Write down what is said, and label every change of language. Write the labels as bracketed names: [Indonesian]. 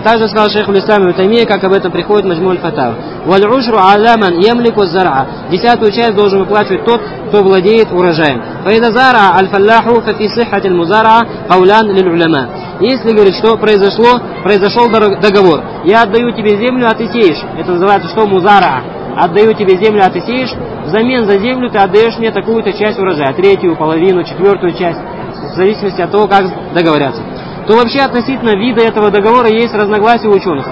[Russian] Также сказал шейх Ислам Ибн Таймия, как об этом приходит مجموع الفتاوى. [Arabic] والعشر على من يملك الزرع. [Russian] Десятую часть должен выплачивать тот, кто владеет урожаем. [Arabic] فإذا زرع الفلاح ففي صحة المزارعة قولان للعلماء. [Russian] Если говорит, что произошел договор. Я отдаю тебе землю, а ты сеешь. Это называется что? Музара. Отдаю тебе землю, а ты сеешь. Взамен за землю ты отдаешь мне такую-то часть урожая. Третью, половину, четвертую часть. В зависимости от того, как договорятся. То вообще относительно вида этого договора есть разногласия у ученых.